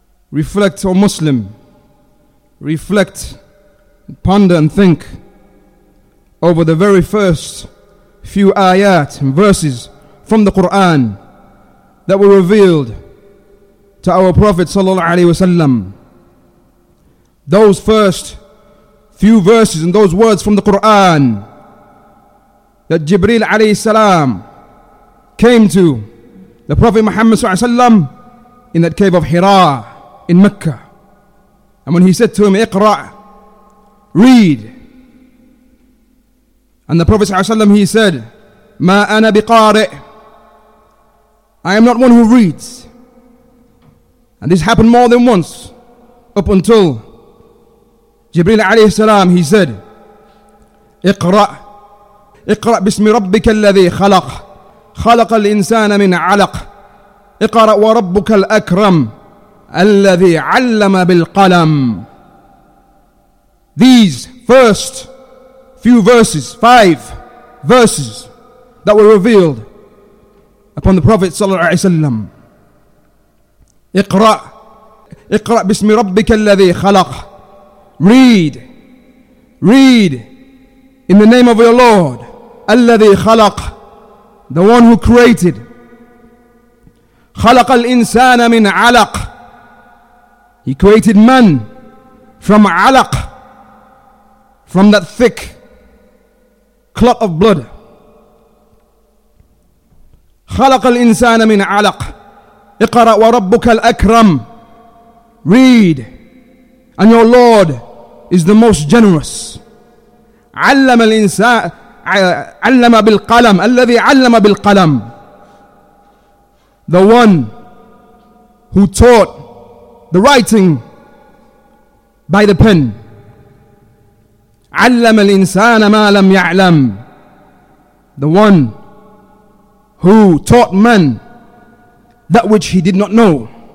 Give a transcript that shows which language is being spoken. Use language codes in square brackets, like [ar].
[en] Reflect O Muslim, reflect, ponder and think over the very first few ayat and verses from the Quran that were revealed to our Prophet sallallahu alaihi wasallam. Those first few verses and those words from the Quran that Jibreel alayhi salam came to the Prophet Muhammad sallallahu alaihi wasallam in that cave of Hira in Mecca. And when he said to him, Iqra, read. And the Prophet ﷺ, he said, [ar] Ma ana biqari, [en] I am not one who reads. And this happened more than once, up until Jibreel alayhi salam, he said, [ar] Iqra, Iqra bismi rabbika alladhi khalaq, khalaq al-insana min alaq, Iqra wa rabbuka al-akram, الَّذِي عَلَّمَ بِالْقَلَمِ. [en] These first few verses, five verses that were revealed upon the Prophet sallallahu alaihi wasallam. [ar] اقرأ اقرأ بسم ربك الذي خلق. [en] Read, read in the name of your Lord, [ar] الَّذِي خَلَق, [en] the one who created. [ar] خَلَق الْإِنسَانَ مِنْ عَلَق, [en] He created man from alaq, from that thick clot of blood. [ar] خلق الإنسان من علق. اقرأ وربك الأكرم. [en] Read, and your Lord is the most generous. [ar] علم الإنسان علم بالقلم الذي علم بالقلم. [en] The one who taught the writing by the pen. [ar] عَلَّمَ الْإِنسَانَ مَا لَمْ يَعْلَمْ. [en] The one who taught man that which he did not know.